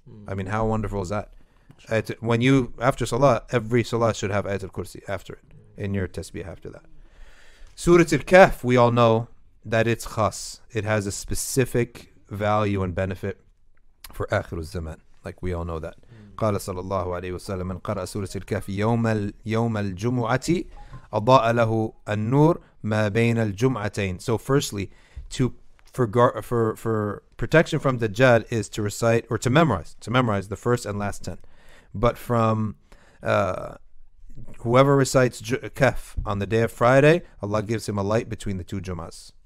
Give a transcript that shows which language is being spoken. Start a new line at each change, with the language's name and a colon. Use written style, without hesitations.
English: Mm. I mean, how wonderful is that? When you, after salah, every salah should have Ayatul Kursi after it, in your tasbih after that. Surat al-Kahf, we all know that it's khas. It has a specific value and benefit for akhir al-zaman. Like, we all know that.
Arabic: قال صلى الله عليه وسلم من قرأ سورة الكهف يوم الجمعة أضاء له النور ما بين الجمعتين.
English: So firstly, for protection from Dajjal is to recite or to memorize the first and last 10. But from whoever recites Kahf on the day of Friday, Allah gives him a light between the two Jum'as.